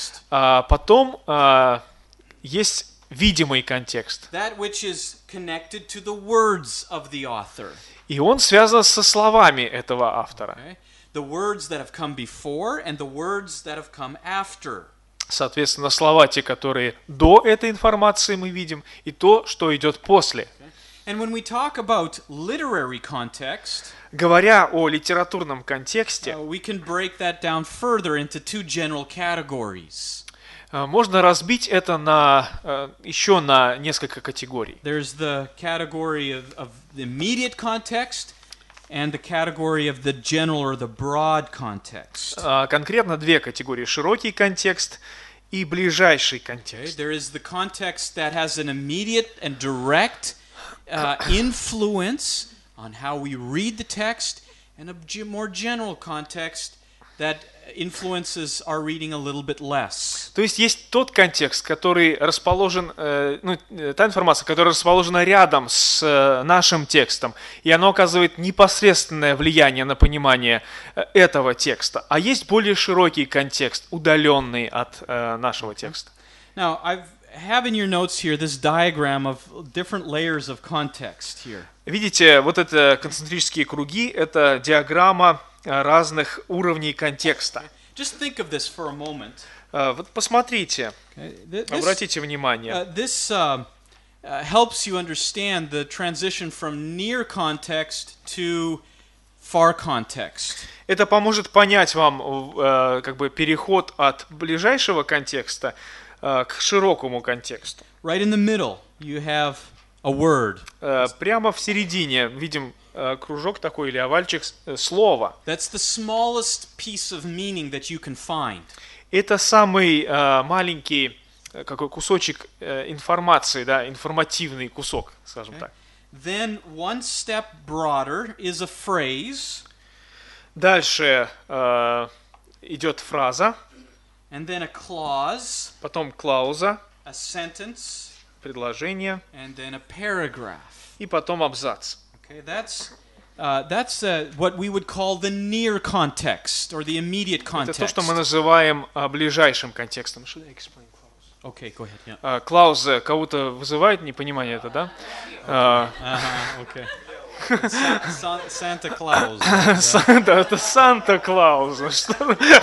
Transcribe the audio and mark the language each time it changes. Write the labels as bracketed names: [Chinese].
[Russian] Потом есть видимый контекст. [English] That which is connected to the words of the author. [Russian] И он связан со словами этого автора. [English] The words that have come before and the words that have come after. [Russian] Соответственно, слова те, которые до этой информации мы видим, и то, что идет после. [English] And when we talk about literary context, [Russian] говоря о литературном контексте, [English] we can break that down further into two general categories. [Russian] Можно разбить это на еще на несколько категорий. [English] There's the category of the immediate context and the category of the general or the broad context. [Russian] Конкретно две категории: широкий контекст и ближайший контекст. [English] There is the context that has an immediate and direct influence on how we read the text, and a more general context that influences our reading a little bit less. [Russian] То есть есть тот контекст, который расположен, та информация, которая расположена рядом с нашим текстом, и она оказывает непосредственное влияние на понимание этого текста. А есть более широкий контекст, удаленный от нашего текста. [English] Now, I have in your notes here this diagram of different layers of context here. [Russian] Видите, вот это концентрические круги, это диаграмма разных уровней контекста. [English] Just think of this for a moment. [Russian] Вот посмотрите, обратите внимание. [English] This helps you understand the transition from near context to far context. [Russian] Это поможет понять вам переход от ближайшего контекста к широкому контексту. [English] Right in the middle, you have a word. [Russian] Прямо в середине видим кружок такой или овальчик слова. [English] That's the smallest piece of meaning that you can find. [Russian] Это самый маленький какой кусочек информации, да, информативный кусок, скажем так. [English] Then one step broader is a phrase. [Russian] Дальше идет фраза. [English] And then a clause. [Russian] Потом клауза. [English] A sentence. [Russian] Предложение. [English] And then a paragraph. [Russian] И потом абзац. [English] Okay, that's what we would call the near context or the immediate context. [Russian] Это то, что мы называем ближайшим контекстом. [English] Should I explain clause? Okay, go ahead. Yeah. [Russian] Клауза кого-то вызывает непонимание это, да? [English] Okay. Santa Claus. [Russian] Santa, это Santa Claus. Что?